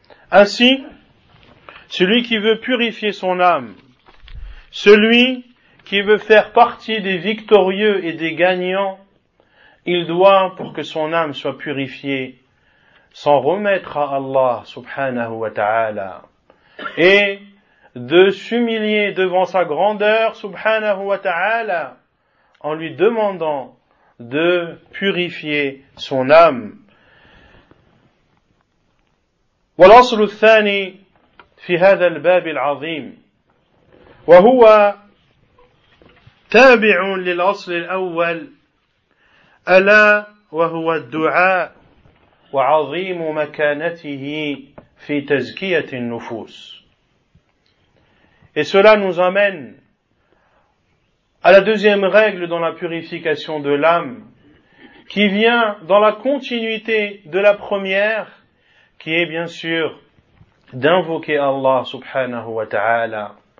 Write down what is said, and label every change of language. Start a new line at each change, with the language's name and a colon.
French: Ainsi, celui qui veut purifier son âme, celui qui veut faire partie des victorieux et des gagnants, il doit, pour que son âme soit purifiée, s'en remettre à Allah, subhanahu wa ta'ala, et de s'humilier devant sa grandeur, subhanahu wa ta'ala, en lui demandant de purifier son âme.
Arabic: والأصل الثاني في هذا الباب العظيم وهو تابع للأصل الأول ألا وهو الدعاء وعظيم مكانته في تزكية النفوس.
French: Et cela nous amène à la deuxième règle dans la purification de l'âme, qui vient dans la continuité de la première, qui est bien sûr d'invoquer Allah subhanahu wa ta'ala.